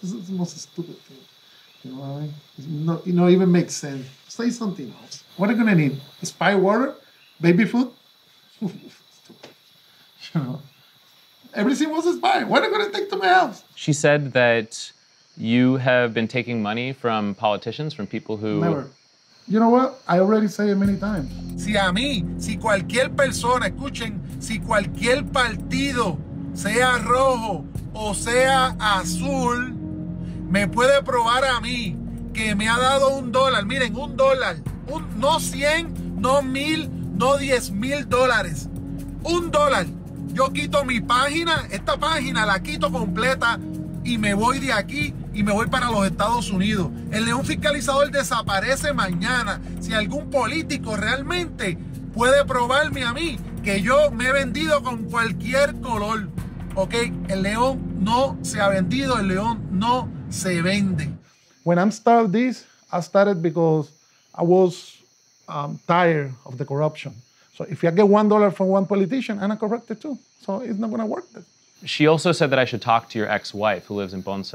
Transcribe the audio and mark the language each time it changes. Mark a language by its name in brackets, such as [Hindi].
[English] This is the most stupid thing. You know why? It even makes sense. Say something else. What are you gonna need? Spy water? Baby food? Stupid. You know? Everything was spy. What are you gonna take to my house? She said that you have been taking money from politicians, from people who... Never. You know what? I already said it many times. [Spanish] Si a mí, si cualquier persona, escuchen, si cualquier partido, sea rojo o sea azul, me puede probar a mí que me ha dado un dólar. Miren, un dólar. No 100, no 1,000, no 10,000 dólares. Un dólar. Yo quito mi página, esta página la quito completa y me voy de aquí. Y me voy para los Estados Unidos. El león fiscalizador desaparece mañana. Si algún político realmente puede probarme a mí que yo me he vendido con cualquier color, ¿ok? El león no se ha vendido. El león no se vende. [English] When I started this, I started because I was tired of the corruption. So if I get $1 from one politician, I'm corrupted too. So it's not going to work. She also said that I should talk to your ex-wife who lives in Ponce.